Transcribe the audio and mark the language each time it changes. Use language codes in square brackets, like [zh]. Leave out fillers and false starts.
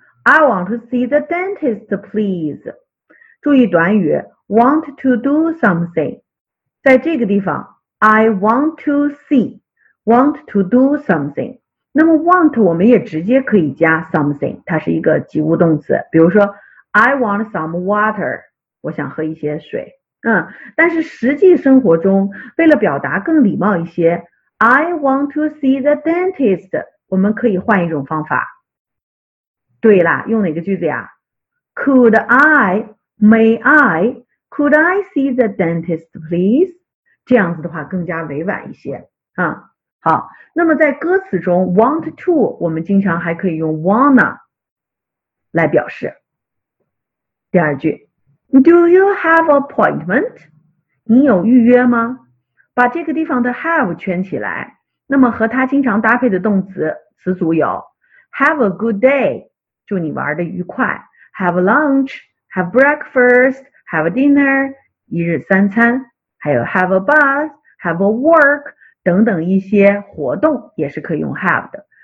[en] I want to see the dentist, please. [zh] 注意短语 [en] want to do something. [zh] 在这个地方 [en] I want to see, want to do something. [zh] 那么 want 我们也直接可以加 something, 它是一个及物动词。比如说 [en] I want some water, [zh] 我想喝一些水。但是实际生活中为了表达更礼貌一些， [en] I want to see the dentist. [zh] 我们可以换一种方法。对啦，用哪个句子呀？ [en] Could I, may I, could I see the dentist, please? [zh] 这样子的话更加委婉一些。好，那么在歌词中 want to, 我们经常还可以用 wanna 来表示。第二句， [en] Do you have appointment? [zh] 你有预约吗？把这个地方的 have 圈起来，那么和它经常搭配的动词词组有 [en] have a good day, [zh] 祝你玩的愉快， [en] have lunch, have breakfast, have dinner, [zh] 一日三餐，还有 [en] have a bath, have a work, [zh] 等等一些活动也是可以用 have 的。